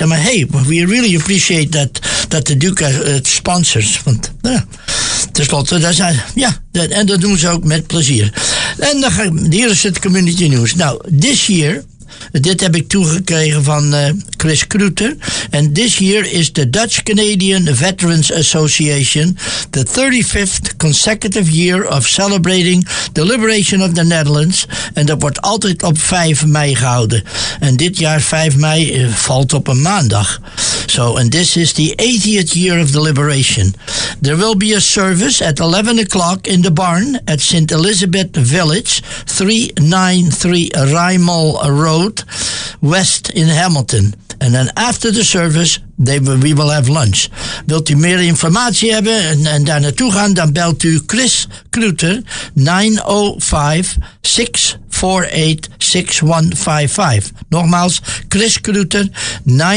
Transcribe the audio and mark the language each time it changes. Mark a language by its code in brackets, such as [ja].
[nl] Zeg maar, hey, [en] we really appreciate [nl] dat de Duca het sponsors. Want ja, tenslotte, daar zijn, ja, dat, en dat doen ze ook met plezier. En dan hier is het Community News. Nou, [en] this year, [nl] dit heb ik toegekregen van Chris Kruter. En [en] this year is the Dutch Canadian Veterans Association the 35th consecutive year of celebrating the liberation of the Netherlands. En dat wordt altijd op 5 mei gehouden. En dit jaar 5 mei valt op een maandag. So, and this is the 80th year of the liberation. There will be a service at 11 o'clock in the barn at St. Elizabeth Village, 393 Rijmel Road, West in Hamilton. And then after the service, we will have lunch. [nl] Wilt u meer informatie hebben en daar naartoe gaan, dan belt u Chris Kluter 905-648-6155. Nogmaals, Chris Kluter 905-648-6155.